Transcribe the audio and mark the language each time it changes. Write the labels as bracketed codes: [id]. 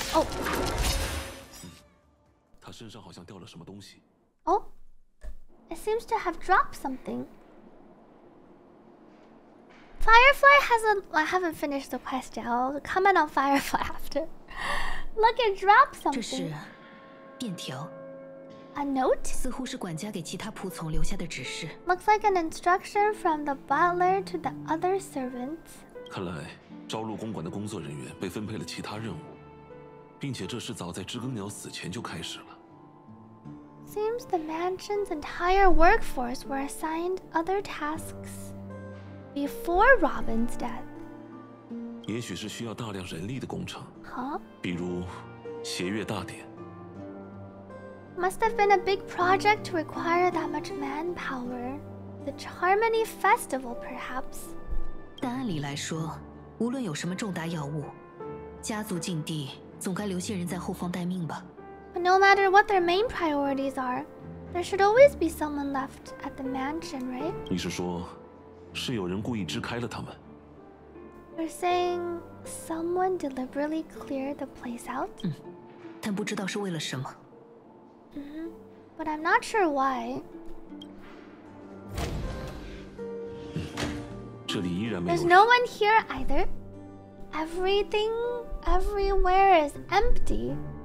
[zh] Oh! 他身上好像掉了什么东西。 [en] Oh? It seems to have dropped something. Firefly hasn't... I haven't finished the quest yet. I'll comment on Firefly after. Look, it dropped something. [zh] 这是便条。 [en] A note? [zh] 似乎是管家给其他仆从留下的指示。 [en] Looks like an instruction from the butler to the other servants. [zh] 看来招录公馆的工作人员被分配了其他任务，并且这事早在知更鸟死前就开始了。 [en] Seems the mansion's entire workforce were assigned other tasks before Robin's death. [zh] 也许是需要大量人力的工程。 Huh? 比如协约大典。 [en] Must have been a big project to require that much manpower. The Charmony Festival, perhaps. [zh] 但按理来说，无论有什么重大要务，家族禁地总该留些人在后方待命吧。 [en] But no matter what their main priorities are, there should always be someone left at the mansion, right? [zh] 你是说，是有人故意支开了他们？ [en] You're saying someone deliberately cleared the place out? [zh] 嗯，但不知道是为了什么。 [en] Mm-hmm. But I'm not sure why. [zh] 这里依然没有。 [en] There's no one here either. Everything, everywhere is empty.